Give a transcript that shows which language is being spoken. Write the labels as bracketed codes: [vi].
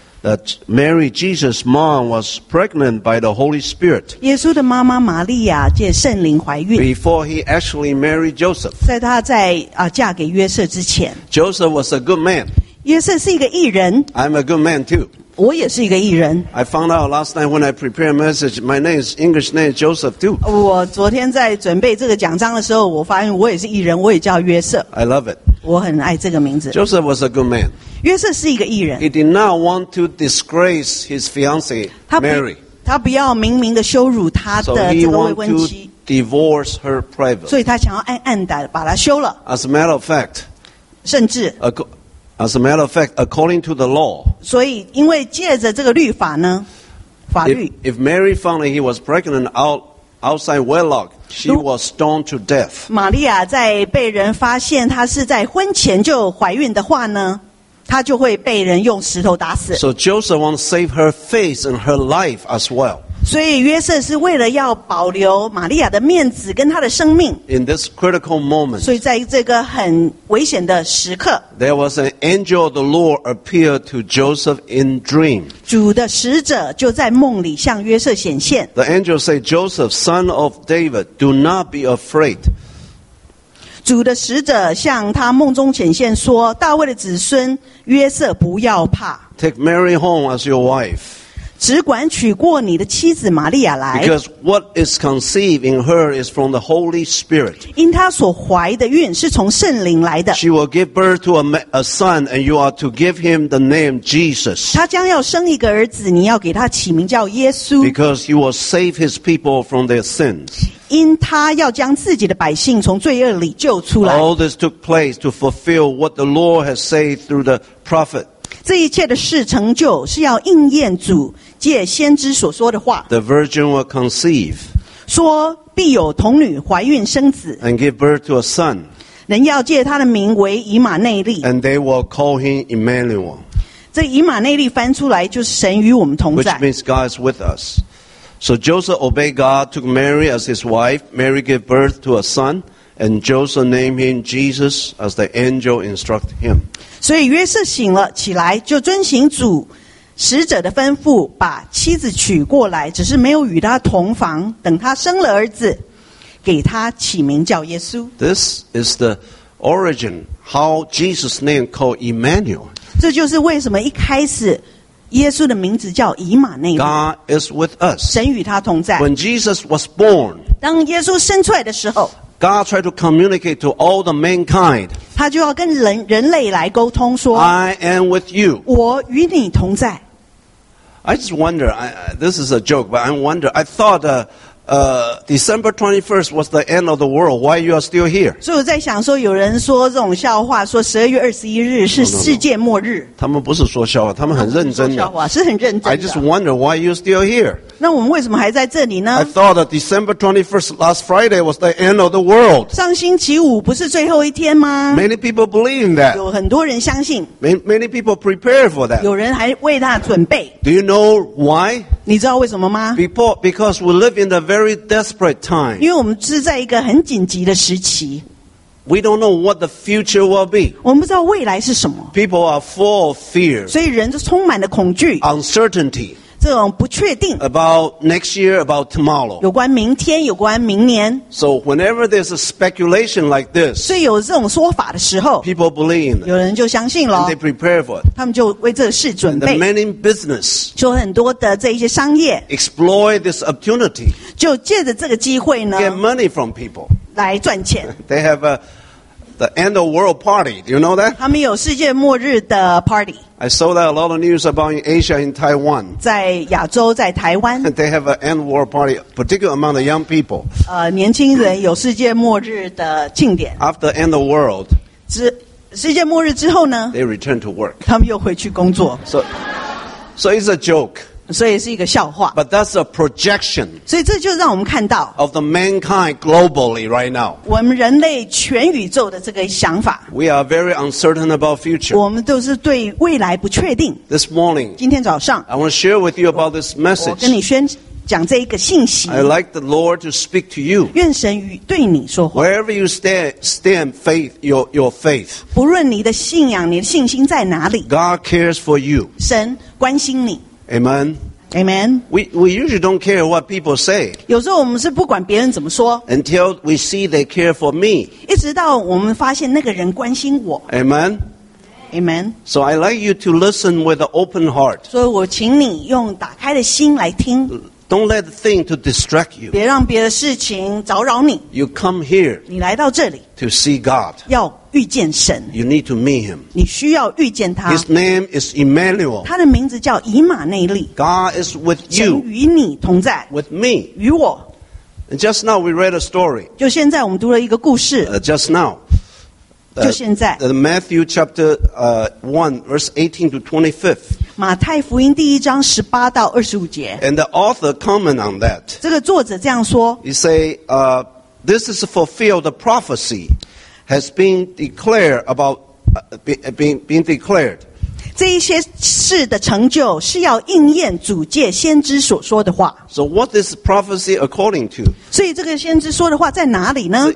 [en] That Mary, Jesus' mom, was pregnant by the Holy Spirit. [zh] 耶稣的妈妈玛利亚借圣灵怀孕。 [en] Before he actually married Joseph. [zh] 在他在嫁给约瑟之前。 [en] Joseph was a good man. [zh] 约瑟是一个义人。 [en] I'm a good man too. [zh] 我也是一个义人。 [en] I found out last night when I prepared a message, my name is English name is Joseph too. [zh] 我昨天在准备这个讲章的时候，我发现我也是义人，我也叫约瑟。 [en] I love it. [zh] 我很爱这个名字。 [en] Joseph was a good man. [zh] 约瑟是一个义人。 [en] He did not want to disgrace his fiancee Mary. [zh] 他不要明明的羞辱他的这个未婚妻。 [en] So divorce her privately. [zh] 所以他想要暗暗的把他休了。 [en] As a matter of fact, [zh] 甚至 [en] as a matter of fact, according to the law. [zh] 所以因为借着这个律法呢，法律。 [en] If Mary found that he was pregnant outside wedlock, she was stoned to death. [zh] 玛利亚在被人发现她是在婚前就怀孕的话呢，她就会被人用石头打死。 [en] So Joseph wants to save her face and her life as well. [zh] 所以约瑟是为了要保留玛利亚的面子跟她的生命。 [en] In this critical moment, [zh] 所以在这个很危险的时刻 [en] ，There was an angel of the Lord appeared to Joseph in dream. [zh] 主的使者就在梦里向约瑟显现。 [en] The angel said, "Joseph, son of David, do not be afraid." [zh] 主的使者向他梦中显现说：“大卫的子孙约瑟，不要怕。 [en] Take Mary home as your wife.” [zh] 只管娶过你的妻子玛利亚来。 [en] Because what is conceived in her is from the Holy Spirit. [zh] 因她所怀的孕是从圣灵来的。 [en] She will give birth to a son, and you are to give him the name Jesus. [zh] 她将要生一个儿子，你要给他起名叫耶稣。 [en] Because you will save his people from their sins. [zh] 因他要将自己的百姓从罪恶里救出来。 [en] All this took place to fulfill what the Lord has said through the prophet. [zh] 这一切的事成就是要应验主借先知所说的话。 [en] The virgin will conceive. [zh] 说必有童女怀孕生子。 [en] And give birth to a son. [zh] 人要借他的名为以马内利。 [en] And they will call him Emmanuel. [zh] 这以马内利翻出来就是神与我们同在。 [en] Which means God is with us. So Joseph obeyed God, took Mary as his wife. Mary gave birth to a son. And Joseph named him Jesus as the angel instructed him. [zh] 所以约瑟醒了起来，就遵行主使者的吩咐，把妻子娶过来，只是没有与他同房，等他生了儿子，给他起名叫耶稣。 [en] This is the origin how Jesus' name called Emmanuel. [zh] 这就是为什么一开始耶稣的名字叫以马内利。 [en] God is with us. [zh] 神与他同在。 [en] When Jesus was born, [zh] 当耶稣生出来的时候。 [en] God tried to communicate to all the mankind. [zh] 他就要跟人类来沟通说 [en] I am with you. [zh] 我与你同在。 [en] I just wonder, this is a joke, but I wonder, I thought December 21st was the end of the world. Why you are still here? [zh] 所以我在想说有人说这种笑话说12月21日是世界末日。 [en] No, no, no. [zh] 他们不是说笑话他们很认真的。他们不是说笑话是很认真的。 [en] I just wonder why you still here. [zh] 那我们为什么还在这里呢 [en] ？I thought that December 21st last Friday was the end of the world. [zh] 上星期五不是最后一天吗 [en] ？Many people believe in that. [zh] 有很多人相信。 [en] Many people prepare for that. [zh] 有人还为他准备。 [en] Do you know why? [zh] 你知道为什么吗 [en] ？Because we live in a very desperate time. [zh] 因为我们是在一个很紧急的时期。 [en] We don't know what the future will be. [zh] 我们不知道未来是什么。 [en] People are full of fear. [zh] 所以人就充满了恐惧。 [en] Uncertainty. [zh] 这种不确定 [en] about next year, about tomorrow, [zh] 有关明天，有关明年。 [en] So whenever there's a speculation like this, [zh] 所以有这种说法的时候 [en] ，people believe in it. [zh] 有人就相信了 [en] ，and they prepare for it. [zh] 他们就为这个事准备。 [en] And the many business, [zh] 就很多的这一些商业 [en] exploit this opportunity, [zh] 就借着这个机会呢 [en] ，get money from people [zh] 来赚钱。 [en] They have the end of world party. Do you know that? [zh] 他们有世界末日的 party. [en] I saw that a lot of news about in Asia, in Taiwan. [zh] 在亚洲，在台湾。 [en] They have an end war party, particularly among the young people. [zh] 年轻人有世界末日的庆典。 [en] After end of world, [zh] 世界末日之后呢 [en] ？They return to work. [zh] 他们又回去工作。 [en] So it's a joke. [zh] 所以是一个笑话。 [en] But that's a projection. [zh] 所以这就让我们看到 [en] of the mankind globally right now. [zh] 我们人类全宇宙的这个想法。 [en] We are very uncertain about future. [zh] 我们都是对未来不确定。 [en] This morning, [zh] 今天早上 [en] I want to share with you about this message. [zh] 我跟你宣讲这一个信息。 [en] I like the Lord to speak to you. [zh] 愿神与对你说话。 [en] Wherever you stand faith, your faith. [zh] 不论你的信仰，你的信心在哪里。 [en] God cares for you. [zh] 神关心你。 [en] Amen. Amen. We usually don't care what people say. [zh] 有时候我们是不管别人怎么说。 [en] Until we see they care for me. [zh] 一直到我们发现那个人关心我。 [en] Amen. Amen. So I like you to listen with an open heart. [zh] 所以我请你用打开的心来听。 [en] Don't let the thing to distract you. [zh] 别让别的事情扰扰你。 [en] You come here. [zh] 你来到这里。 [en] To see God. [zh] 要遇见神。 [en] You need to meet him. [zh] 你需要遇见他。 [en] His name is Emmanuel. [zh] 他的名字叫以马内利。 [en] God is with you. [zh] 神与你同在。 [en] With me. [zh] 与我。 [en] And just now we read a story. [zh] 就现在我们读了一个故事。 [en] Just now. [zh] 就现在 [en] Matthew chapter 1 verse 18 to 25 [zh] 马太福音第一章十八到二十五节 [en] And the author comment on that [zh] 这个作者这样说 [en] He say this is fulfilled the prophecy has been declared about being declared [zh] 这一些事的成就是要应验主借先知所说的话 [en] So what is prophecy according to [zh] 所以这个先知说的话在哪里呢